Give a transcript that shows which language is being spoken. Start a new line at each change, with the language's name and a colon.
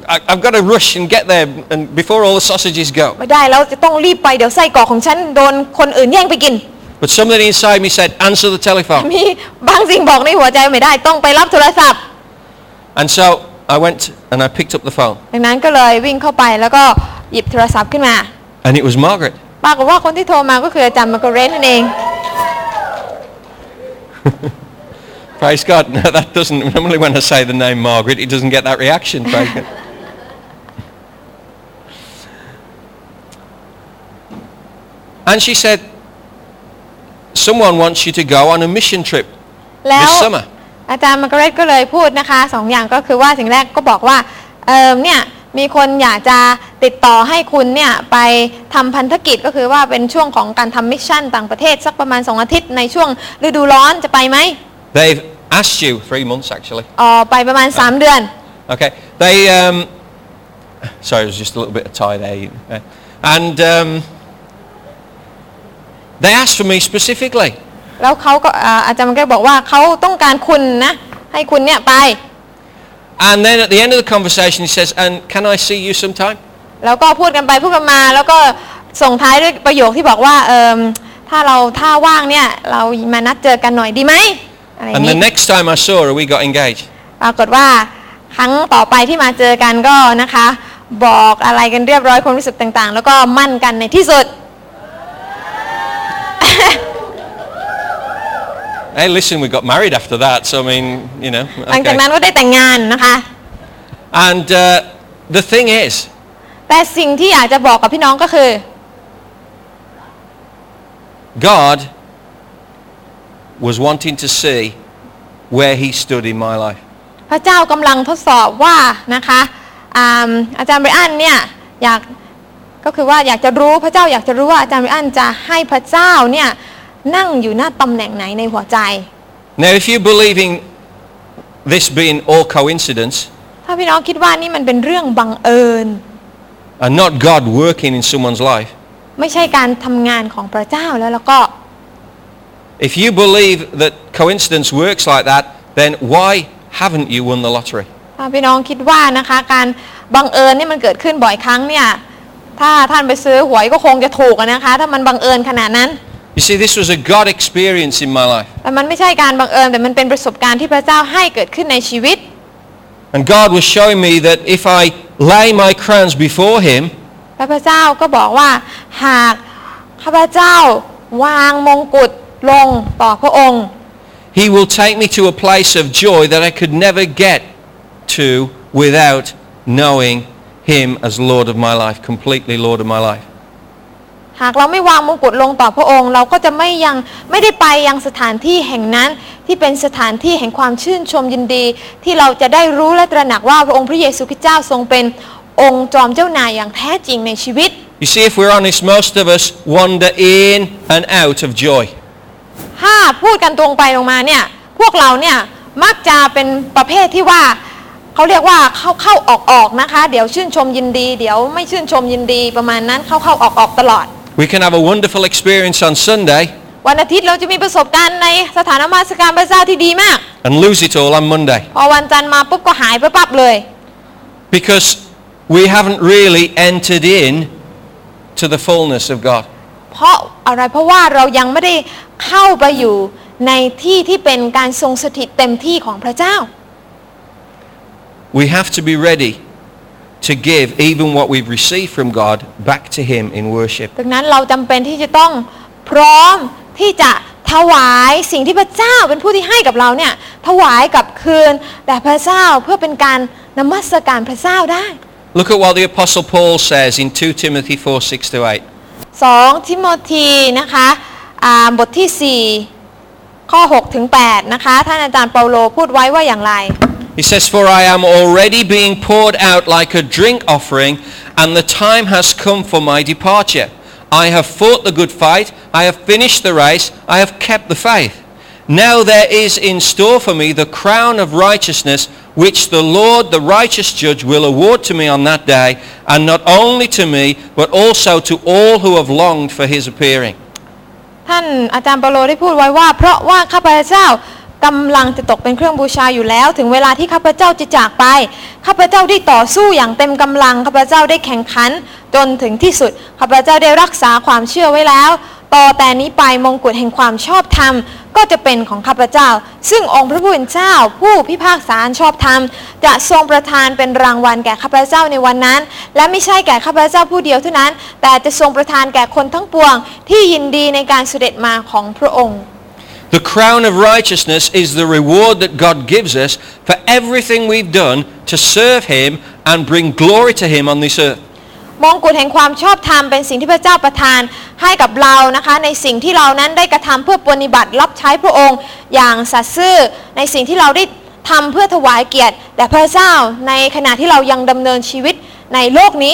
English: I've got to rush and get there and before all the sausages go.
Thai: ไม่ได้แล้วจะต้องรีบไปเดี๋ยวไส้กรอกของฉันโดนคนอื่นแย่งไปกิน
English: But something inside me said, answer the telephone.
Thai: มีบางสิ่งบอกในหัวใจไม่ได้ต้องไปรับโทรศัพท์
English: And so. I went and I picked up the phone.
Thai: ดังนั้นก็เลยวิ่งเข้าไปแล้วก็หยิบโทรศัพท์ขึ้นมา
English: And it was Margaret.
Thai: ปรากฏว่าคนที่โทรมาก็คืออาจารย์มาร์กาเร็ตนั่นเอง
English: Praise God. Now that doesn't normally when I say the name Margaret, it doesn't get that reaction. Praise God. And she said, someone wants you to go on a mission trip this summer.
Thai: อาจารย์มาร์เกเร็ตก็เลยพูดนะคะสองอย่างก็คือว่าสิ่งแรกก็บอกว่าเนี่ยมีคนอยากจะติดต่อให้คุณเนี่ยไปทำพันธกิจก็คือว่าเป็นช่วงของการทำมิชชั่นต่างประเทศสักประมาณ2อาทิตย์ในช่วงฤดูร้อนจะไปไหม
English: They've asked you 3 months actually
Thai: ไปประมาณ3เดือน
English: Okay they sorry it was just a little bit of tie there and they asked for me specifically
Thai: แล้วเขาก็อาจารย์ก็บอกว่าเขาต้องการคุณนะให้คุณเนี่ยไป
English: And then at the end of the conversation he says and can I see you sometime
Thai: แล้วก็พูดกันไปพูดกันมาแล้วก็ส่งท้ายด้วยประโยคที่บอกว่าถ้าเราถ้าว่างเนี่ยเรามานัดเจอกันหน่อยดีไหม
English: And the next time I saw her we got engaged
Thai: ปรากฏว่าครั้งต่อไปที่มาเจอกันก็นะคะบอกอะไรกันเรียบร้อยความรู้สึกต่างๆแล้วก็มั่นกันในที่สุด
English: Hey, listen, we got married after that, so I mean, you know.
Thai: หลังจากนั้นก็ได้แต่งงานนะคะ
English: And the thing is.
Thai: แต่สิ่งที่อยากจะบอกกับพี่น้องก็คือ
English: God was wanting to see where he stood in my life.
Thai: พระเจ้ากำลังทดสอบว่านะคะอาจารย์บริอันเนี่ยอยากก็คือว่าอยากจะรู้พระเจ้าอยากจะรู้ว่าอาจารย์บริอันจะให้พระเจ้าเนี่ยนั่งอยู่หน้าตำแหน่งไหนในหัวใจ
English: Now if you believe in this being all coincidence
Thai: ถ้าพี่น้องคิดว่านี่มันเป็นเรื่องบังเอิญ
English: And not God working in someone's life
Thai: ไม่ใช่การทำงานของพระเจ้าแล้วก็
English: If you believe that coincidence works like that then why haven't you won the lottery
Thai: ถ้าพี่น้องคิดว่านะคะการบังเอิญนี่มันเกิดขึ้นบ่อยครั้งเนี่ยถ้าท่านไปซื้อหวยก็คงจะถูกนะคะถ้ามันบังเอิญขนาดนั้น
English: You see, this was a God experience in my life.
Thai: แต่มันไม่ใช่การบังเอิญแต่มันเป็นประสบการณ์ที่พระเจ้าให้เกิดขึ้นในชีวิต
English: And God was showing me that if I lay my crowns before Him,
Thai: พระเจ้าก็บอกว่าหากข้าพเจ้าวางมงกุฎลงต่อพระองค์
English: He will take me to a place of joy that I could never get to without knowing Him as Lord of my life, completely Lord of my life.
Thai: หากเราไม่วางมงกุฎลงต่อพระองค์เราก็จะไม่ยังไม่ได้ไปยังสถานที่แห่งนั้นที่เป็นสถานที่แห่งความชื่นชมยินดีที่เราจะได้รู้และตระหนักว่าพระองค์พระเยซูคริสต์เจ้าทรงเป็นองค์จอมเจ้านายอย่างแท้จริงในชีวิต
English: You see if we're honest most of us wander in and out of joy
Thai: ถ้าพูดกันตรงไปตรงมาเนี่ยพวกเราเนี่ยมักจะเป็นประเภทที่ว่าเขาเรียกว่าเข้าออกๆนะคะเดี๋ยวชื่นชมยินดีเดี๋ยวไม่ชื่นชมยินดีประมาณนั้นเข้าออกๆตลอด
English: We can have a wonderful experience on Sunday.
Thai: วันอาทิตย์เราจะมีประสบการณ์ในสถานนมัสการพระเจ้าที่ดีมาก
English: And lose it all on Monday.
Thai: พอวันจันทร์มาปุ๊บก็หายไปปั๊บเลย
English: Because we haven't really entered in to the fullness of God.
Thai: เพราะอะไรเพราะว่าเรายังไม่ได้เข้าไปอยู่ในที่ที่เป็นการทรงสถิตเต็มที่ของพระเจ้า
English: We have to be readyTo give even what we've received from God back to Him in worship.
Thai: ดังนั้นเราจำเป็นที่จะต้องพร้อมที่จะถวายสิ่งที่พระเจ้าเป็นผู้ที่ให้กับเราเนี่ยถวายกับคืนแด่พระเจ้าเพื่อเป็นการนมัสการพระเจ้าได้
English: Look at what the Apostle Paul says in 2 Timothy 4, 6 to 8.
Thai: 2 ทิโมธีนะคะบทที่4ข้อ6ถึง8นะคะท่านอาจารย์เปาโลพูดไว้ว่าอย่างไร
English: He says, "For I am already being poured out like a drink offering, and the time has come for my departure. I have fought the good fight, I have finished the race, I have kept the faith. Now there is in store for me the crown of righteousness, which the Lord, the righteous judge, will award to me on that day, and not only to me, but also to all who have longed for His appearing."
Thai: ท่านอาจารย์เปาโลได้พูดไว้ว่าเพราะว่าข้าพเจ้ากำลังจะตกเป็นเครื่องบูชาอยู่แล้วถึงเวลาที่ข้าพเจ้าจะจากไปข้าพเจ้าได้ต่อสู้อย่างเต็มกำลังข้าพเจ้าได้แข่งขัน จนถึงที่สุดข้าพเจ้าได้รักษาความเชื่อไว้แล้วต่อแต่นี้ไปมงกุฎแห่งความชอบธรรมก็จะเป็นของข้าพเจ้าซึ่งองค์พระผู้เป็นเจ้าผู้พิพากษาชอบธรรมจะทรงประทานเป็นรางวัลแก่ข้าพเจ้าในวันนั้นและไม่ใช่แก่ข้าพเจ้าผู้เดียวเท่านั้นแต่จะทรงประทานแก่คนทั้งปวงที่ยินดีในการเสด็จมาของพระองค์
English: The crown of righteousness is the reward that God gives us for everything we've done to serve Him and bring glory to Him on this earth.
Thai: มงกุฎแห่งความชอบธรรมเป็นสิ่งที่พระเจ้าประทานให้กับเรานะคะในสิ่งที่เรานั้นได้กระทําเพื่อปฏิบัติรับใช้พระองค์อย่างสัตย์ซื่อในสิ่งที่เราได้ทําเพื่อถวายเกียรติแด่พระเจ้าในขณะที่เรายังดําเนินชีวิตในโลกนี